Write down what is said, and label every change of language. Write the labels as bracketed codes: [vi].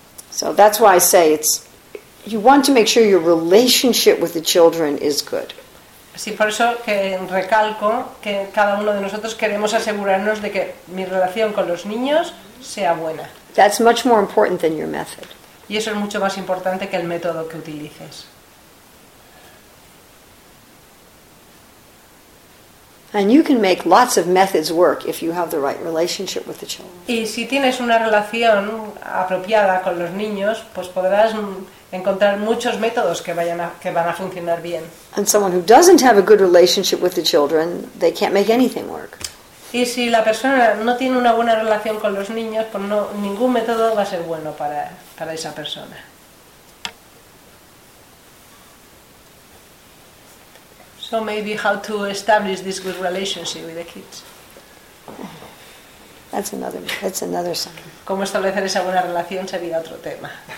[en] So that's why I say it's, you want to make sure your relationship with the children is good. [es] Sí, por eso que recalco que cada uno de nosotros queremos asegurarnos de que mi relación con los niños sea buena. [en] That's much more important than your method. [es] Y eso es mucho más importante que el método que utilices. [en] And you can make lots of methods work if you have the right relationship with the children. [es] Y si tienes una relación apropiada con los niños, pues podrás encontrar muchos métodos que van a funcionar bien. [en] And someone who doesn't have a good relationship with the children, they can't make anything work. [es] Y si la persona no tiene una buena relación con los niños, pues no, ningún método va a ser bueno para esa persona. [en] So maybe how to establish this good relationship with the kids. That's another song. [es] ¿Cómo establecer esa buena relación? Sería otro tema.